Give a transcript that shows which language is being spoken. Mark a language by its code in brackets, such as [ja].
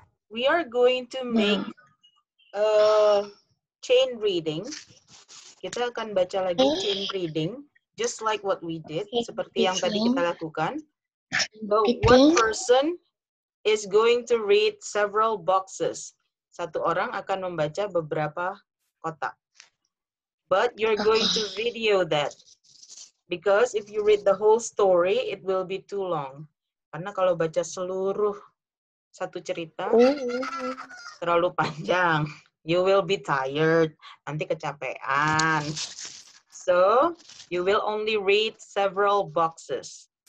[en] we are going to make a chain reading. [id] Kita akan baca lagi chain reading, [en] just like what we did, [id] seperti yang tadi kita lakukan. [en] But one person is going to read several boxes. [id] Satu orang akan membaca beberapa kotak. [en] But you're going to video that. Because if you read the whole story, it will be too long. [id] Karena kalau baca seluruh satu cerita, terlalu panjang. [en] You will be tired. [id] Nanti kecapean. [en] So, you will only read several boxes.